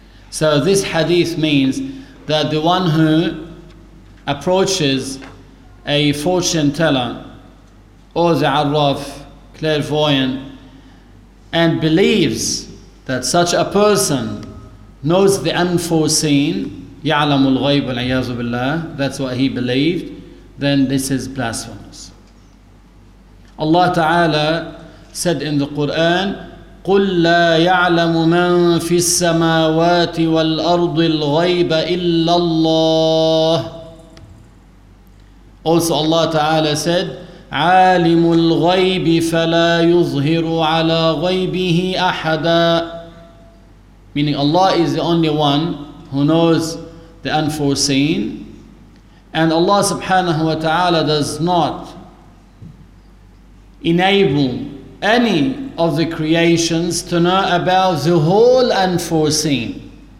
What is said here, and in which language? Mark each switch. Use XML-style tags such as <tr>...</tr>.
<en>So this hadith means that the one who approaches a fortune teller or the arraf, clairvoyant, and believes that such a person knows the unforeseen,</en> <ar>يَعْلَمُ الْغَيْبُ وَالْعِيَاذُ بِاللَّهِ,</ar> <en>that's what he believed, then this is blasphemous. Allah Ta'ala said in the Quran,</en> <ar>قُلْ لَا يَعْلَمُ مَنْ فِي السَّمَاوَاتِ وَالْأَرْضِ الْغَيْبَ إِلَّا اللَّهِ.</ar> <en>Also Allah Ta'ala said,</en> <ar>عَالِمُ الْغَيْبِ فَلَا يُظْهِرُ عَلَى غَيْبِهِ أَحَدًا,</ar> <en>meaning Allah is the only one who knows the unforeseen, and Allah subhanahu wa ta'ala does not enable any of the creations to know about the whole unforeseen.</en>